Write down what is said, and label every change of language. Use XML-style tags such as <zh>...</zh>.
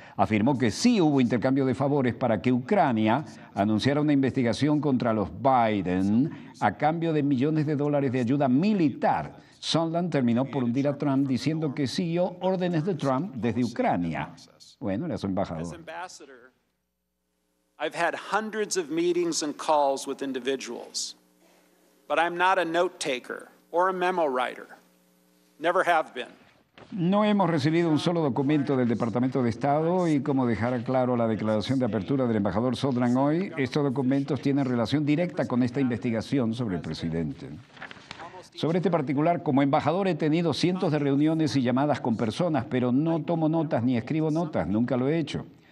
<es>Afirmó que sí hubo intercambio de favores para que Ucrania anunciara una investigación contra los Biden a cambio de millones de dólares de ayuda militar. Sondland terminó por hundir a Trump diciendo que siguió órdenes de Trump desde Ucrania. Bueno, era su embajador.</es> <en>I've had hundreds of meetings and calls with individuals, but I'm not a note taker or a memo writer. Never have been.</en> <es>No hemos recibido un solo documento del Departamento de Estado y, como dejara claro la declaración de apertura del embajador Sondland hoy, estos documentos tienen relación directa con esta investigación sobre el presidente. Sobre este particular, como embajador he tenido cientos de reuniones y llamadas con personas, pero no tomo notas ni escribo notas, nunca lo he hecho.</es>